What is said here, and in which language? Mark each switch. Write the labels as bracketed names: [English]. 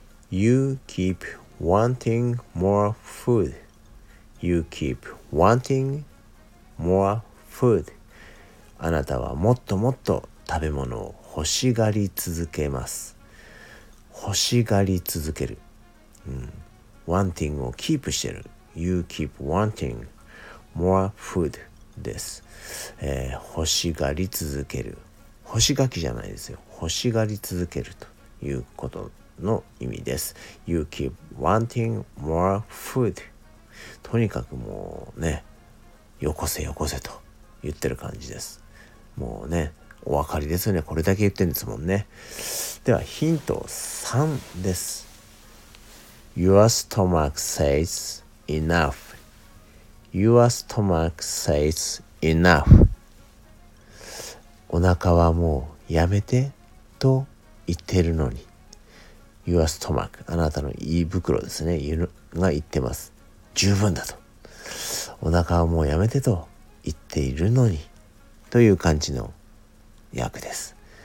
[English] You keep wanting more food. You keep wanting more food. [Japanese] あなたはもっともっと食べ物を欲しがり続けます。欲しがり続ける。 Wanting をキープしてる。 [English] You keep wanting more food です。 [Japanese] 欲しがり続ける。欲しがきじゃないですよ。欲しがり続けるということの意味です。 [English] You keep wanting more food。 [Japanese] とにかくもうね、よこせよこせと言ってる感じです。もうね、お分かりですよね。これだけ言ってるんですもんね。ではヒント3です。 [English] Your stomach says enough. Your stomach says enough. [Japanese] お腹はもうやめてと言ってるのに。 [English] Your stomach、 [Japanese] あなたの胃袋ですね、が言ってます。十分だと、お腹はもうやめてと言っているのに、という感じの訳です。